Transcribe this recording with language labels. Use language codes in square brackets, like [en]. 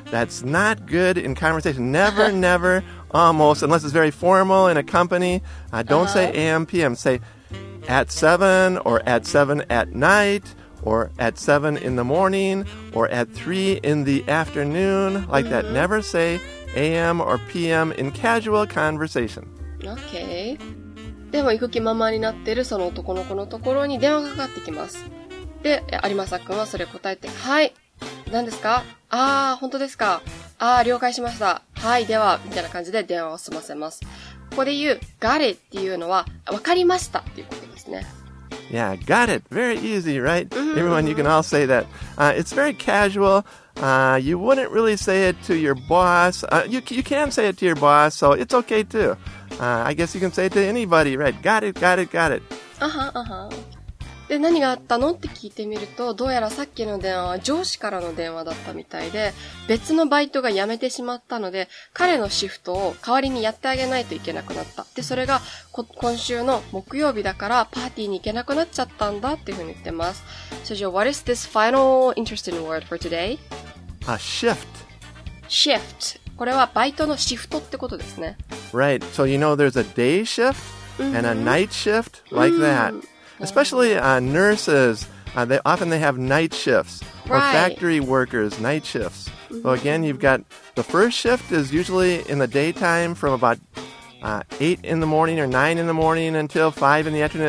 [en] That's not good in conversation. Never, never, almost, unless it's very formal in a company. Don't say a.m., p.m. Say at 7 or at 7 at night or at 7 in the morning or at 3 in the afternoon. Like mm-hmm. that, never say AM or PM in casual conversation. Okay. [ja] でも行く気ままになってるその男の子のところに電話がかかってきます。で、有政くんはそれを答えて、はい、何ですか？ああ、本当ですか？ああ、了解しました。はい、では、みたいな感じで電話を済ませます。ここで言う、 [en] got it [ja] っていうのは、わかりましたっていうことですね。 [en] Yeah, got it. Very easy, right? Everyone, you can all say that. It's very casual. You wouldn't really say it to your boss. You can say it to your boss, so it's okay too. I guess you can say it to anybody, right? Got it, got it, got it. [ja] で、何があったのって聞いてみると、どうやらさっきの電話は上司からの電話だったみたいで、別のバイトが辞めてしまったので、彼のシフトを代わりにやってあげないといけなくなった。で、それが今週の木曜日だからパーティーに行けなくなっちゃったんだっていうふうに言ってます。 [en] So, Joe, what is this final interesting word for today? A shift. Shift. [ja] これはバイトのシフトってことですね。 [en] Right. So, you know, there's a day shift and a night shift like that. Especially nurses, they often have night shifts, or right. factory workers, night shifts. Mm-hmm. So again, you've got the first shift is usually in the daytime from about 8 in the morning or 9 in the morning until 5 in the afternoon.